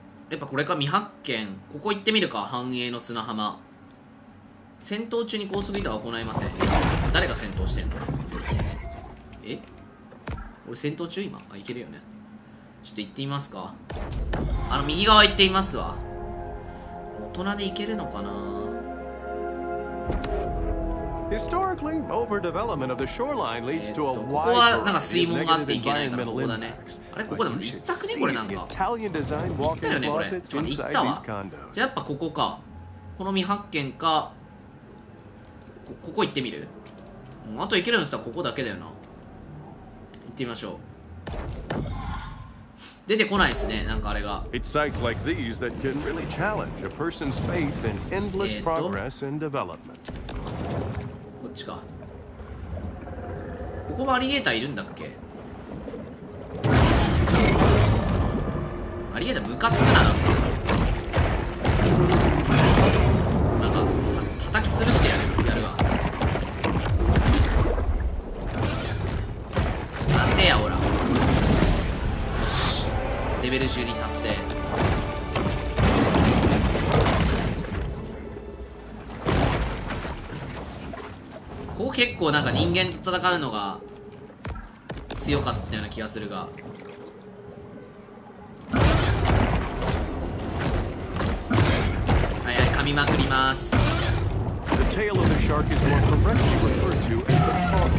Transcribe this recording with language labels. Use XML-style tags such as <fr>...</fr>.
<ja>やっぱこれか、未発見。ここ行ってみるか、繁栄の砂浜。戦闘中に高速移動は行いません。誰が戦闘してんの？え？俺戦闘中今。あ、行けるよね。ちょっと行ってみますか。あの、右側行ってみますわ。大人で行けるのかな？</ja> <en>Historically, overdevelopment of the shoreline leads to a wide It's like these that can really challenge a person's faith in endless progress and development.</en> <ja>こっちか。ここもアリゲーターいるんだっけ。アリゲーターむかつくな。なんか、叩き潰してやるわ。なんでや、おら。よし、レベル10に達成。ここ結構なんか人間と戦うのが強かったような気がするが、はいはい、噛みまくります。</ja> <en>The tail of the shark is more correctly referred to as the</en>